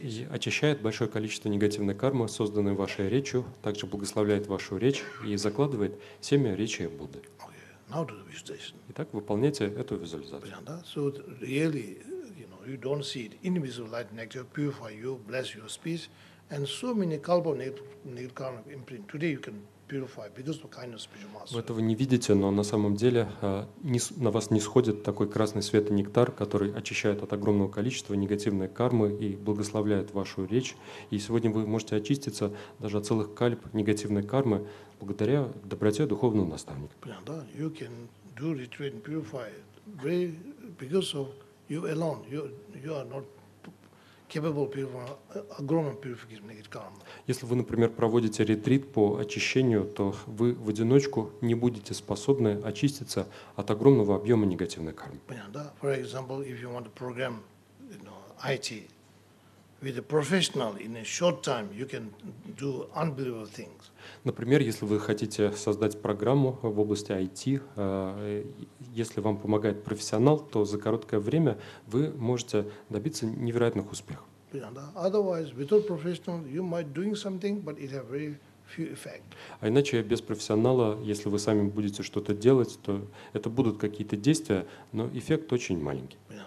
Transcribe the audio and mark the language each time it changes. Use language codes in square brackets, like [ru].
[ru] Очищает большое количество негативной кармы, созданной вашей речью, также благословляет вашу речь и закладывает семя речи Будды. [en] Now do the visualization. [ru] Итак, выполняйте эту визуализацию. [en] Yeah, so really, you know, you don't see it. Invisible light nectar purify you, bless your speech, and so many kalpa nectar kind of imprint. Today you can purify because of kindness of your master. [ru] Вы этого не видите, но на самом деле на вас нисходит такой красный свет и нектар, который очищает от огромного количества негативной кармы и благословляет вашу речь. И сегодня вы можете очиститься даже от целых кальп негативной кармы благодаря доброте духовного наставника. [en] You can do retreat and purify very because of you alone. You are not capable of purifying огромным purification negative karma. [ru] Если вы, например, проводите ретрит по очищению, то вы в одиночку не будете способны очиститься от огромного объема негативной кармы. Понятно. [en] For example, if you want to program, you know, IT with a professional in a short time, you can do unbelievable things. [ru] Например, если вы хотите создать программу в области IT, если вам помогает профессионал, то за короткое время вы можете добиться невероятных успехов. А иначе без профессионала, если вы сами будете что-то делать, то это будут какие-то действия, но эффект очень маленький.